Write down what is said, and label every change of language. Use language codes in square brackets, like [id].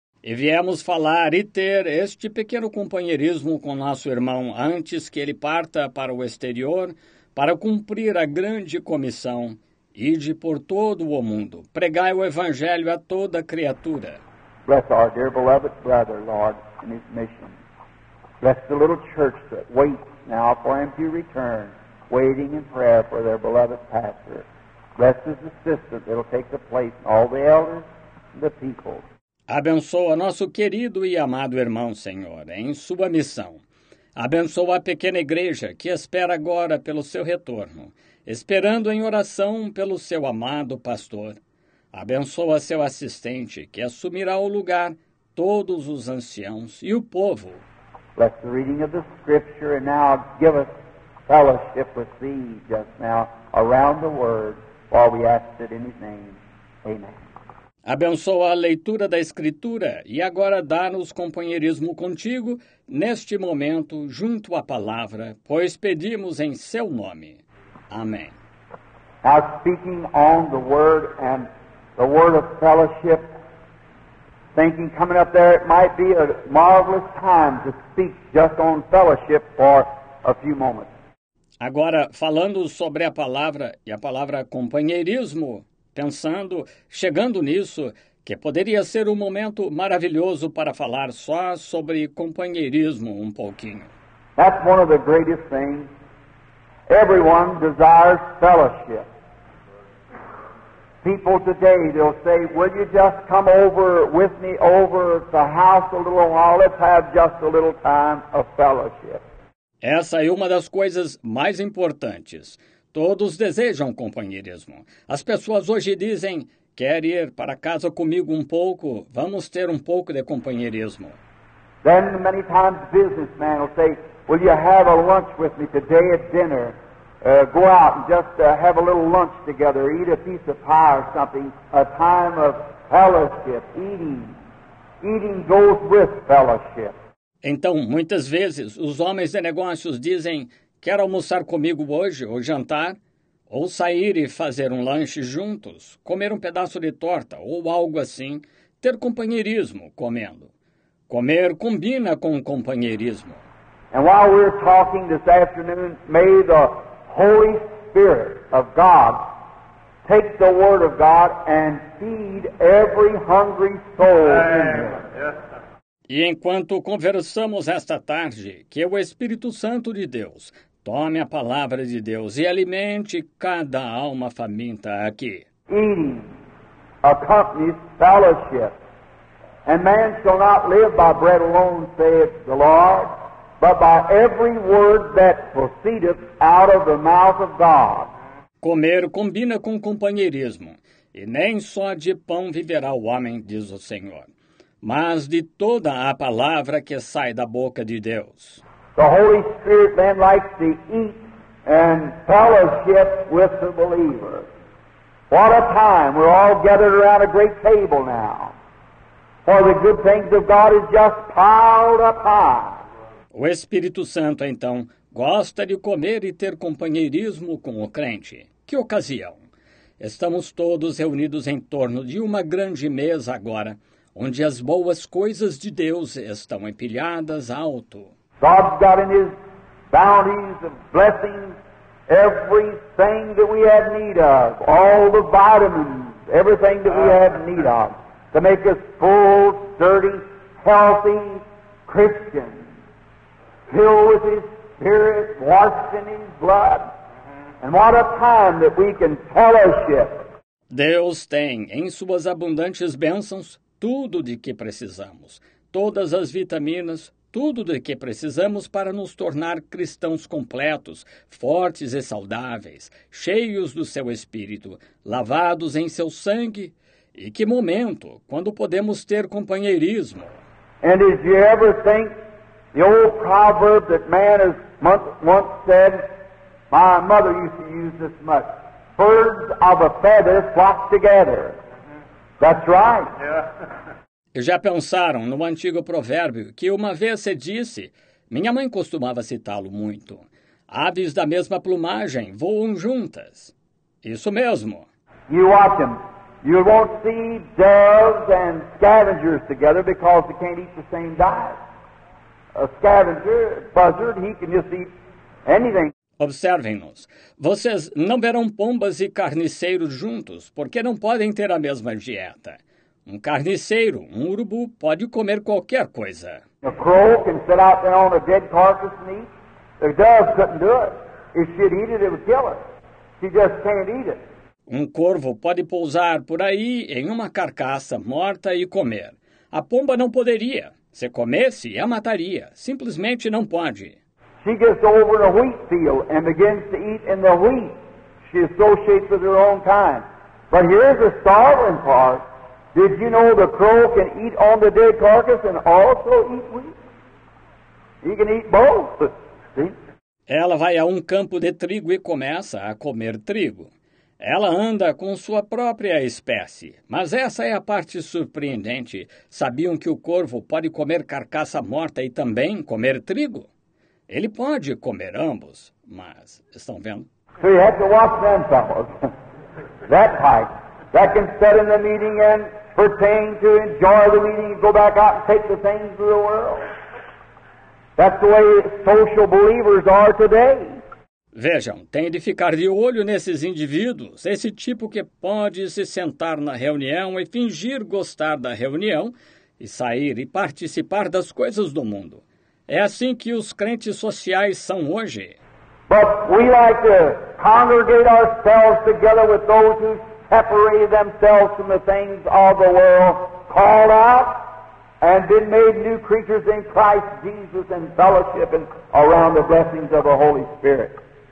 [pt] E viemos falar e ter este pequeno companheirismo com nosso irmão antes que ele parta para o exterior para cumprir a grande comissão. Ide por todo o mundo. Pregai o Evangelho a toda criatura. [en] Bless our dear beloved brother, Lord, in his mission. Bless the little church that waits now for him to return, waiting in prayer for their beloved pastor. Bless his assistant that will take the place of all the elders and the people. [pt] Abençoa nosso querido e amado irmão, Senhor, em sua missão. Abençoa a pequena igreja que espera agora pelo seu retorno, esperando em oração pelo seu amado pastor. Abençoa seu assistente, que assumirá o lugar, todos os anciãos e o povo. [en] Bless the reading of the scripture and now give us fellowship with thee just now around the word while we ask it in his name. Amen. [pt] Abençoa a leitura da Escritura e agora dá-nos companheirismo contigo neste momento junto à palavra, pois pedimos em seu nome. Amém. [en] Now speaking on the word and the word of fellowship, thinking coming up there it might be a marvelous time to speak just on fellowship for a few moments. [pt] Agora, falando sobre a palavra e a palavra companheirismo, pensando, chegando nisso, que poderia ser um momento maravilhoso para falar só sobre companheirismo um pouquinho. [en] That's one of the greatest things. Everyone desires fellowship. People today, they'll say, will you just come over with me over the house a little while? Let's have just a little time of fellowship. [pt] Essa é uma das coisas mais importantes. Todos desejam companheirismo. As pessoas hoje dizem, quer ir para casa comigo um pouco? Vamos ter um pouco de companheirismo. [en] Then many times businessmen will say, will you have a lunch with me today at dinner? Go out and just have a little lunch together, eat a piece of pie or something, a time of fellowship, eating. Eating goes with fellowship. [pt] Então, muitas vezes, os homens de negócios dizem, quer almoçar comigo hoje, ou jantar, ou sair e fazer um lanche juntos, comer um pedaço de torta, ou algo assim, ter companheirismo comendo. Comer combina com companheirismo. [en] And while we're talking this afternoon, may the Holy Spirit of God take the Word of God and feed every hungry soul in here. [pt] E enquanto conversamos esta tarde, que o Espírito Santo de Deus tome a palavra de Deus e alimente cada alma faminta aqui. [en] Eating accompanies fellowship. And man shall not live by bread alone, saith the Lord, but by every word that proceedeth out of the mouth of God. [pt] comer combina com companheirismo, e nem só de pão viverá o homem, diz o Senhor, mas de toda a palavra que sai da boca de Deus. [en] The Holy Spirit then likes to eat and fellowship with the believer. What a time! We're all gathered around a great table now. For the good things of God is just piled up high. [pt] O Espírito Santo, então, gosta de comer e ter companheirismo com o crente. Que ocasião! Estamos todos reunidos em torno de uma grande mesa agora, onde as boas coisas de Deus estão empilhadas alto. [en] God's got in His bounties and blessings everything that we have need of, all the vitamins, everything that we have need of, to make us full, sturdy, healthy Christians, filled with His Spirit, washed in His blood. And what a time that we can fellowship. [pt] Deus tem, em suas abundantes bênçãos, tudo de que precisamos, todas as vitaminas, tudo de que precisamos para nos tornar cristãos completos, fortes e saudáveis, cheios do seu Espírito, lavados em seu sangue. E que momento, quando podemos ter companheirismo? [en] And did you ever think the old proverb that man has once said, my mother used to use this much, birds of a feather flock together. That's right. Yeah. [pt] E já pensaram no antigo provérbio que uma vez se disse, minha mãe costumava citá-lo muito, aves da mesma plumagem voam juntas. Isso mesmo. [en] You watch them. You won't see doves and scavengers together because they can't eat the same diet. A scavenger, buzzard, he can just eat anything. [pt] Observem-nos. Vocês não verão pombas e carniceiros juntos porque não podem ter a mesma dieta. Um carniceiro, um urubu, pode comer qualquer coisa. [en] A crow can sit out there on a dead carcass and eat. The dove couldn't do it. If she'd eat it, it would kill her. She just can't eat it. [pt] Um corvo pode pousar por aí em uma carcaça morta e comer. A pomba não poderia. Se comesse, a mataria. Simplesmente não pode. [en] She gets over a wheat field and begins to eat in the wheat. She associates with her own kind. But here's the startling part. Did you know the crow can eat on the dead carcass and also eat wheat? He can eat both. See? [pt] Ela vai a campo de trigo e começa a comer trigo. Ela anda com sua própria espécie. Mas essa é a parte surpreendente. Sabiam que o corvo pode comer carcaça morta e também comer trigo? Ele pode comer ambos, mas estão vendo? [en] So you have to watch them, fellows. That type. That can sit in the meeting and pertain to enjoy the meeting and go back out and take the things of the world. That's the way social believers are today. [pt] Vejam, tem de ficar de olho nesses indivíduos, esse tipo que pode se sentar na reunião e fingir gostar da reunião e sair e participar das coisas do mundo. É assim que os crentes sociais são hoje. [en] But we like to congregate ourselves together with those who separated themselves from the things of the world, called out, and been made new creatures in Christ Jesus and fellowship and around the blessings of the Holy Spirit.